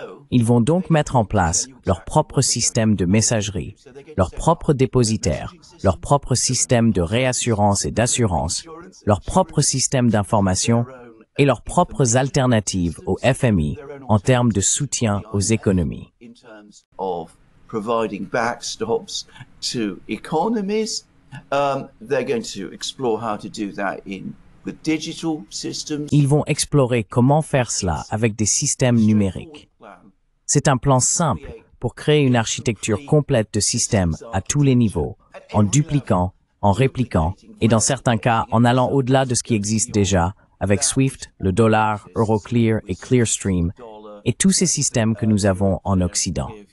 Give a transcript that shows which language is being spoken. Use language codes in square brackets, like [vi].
[fr] Ils vont donc mettre en place leur propre système de messagerie, leur propre dépositaire, leur propre système de réassurance et d'assurance, leur propre système d'information et leurs propres alternatives au FMI en termes de soutien aux économies. [en] Providing backstops to economies. They're going to explore how to do that in with digital systems. [fr] Ils vont explorer comment faire cela avec des systèmes numériques. C'est un plan simple pour créer une architecture complète de systèmes à tous les niveaux, en dupliquant, en répliquant et dans certains cas en allant au-delà de ce qui existe déjà avec SWIFT, le dollar, Euroclear et Clearstream et tous ces systèmes que nous avons en Occident.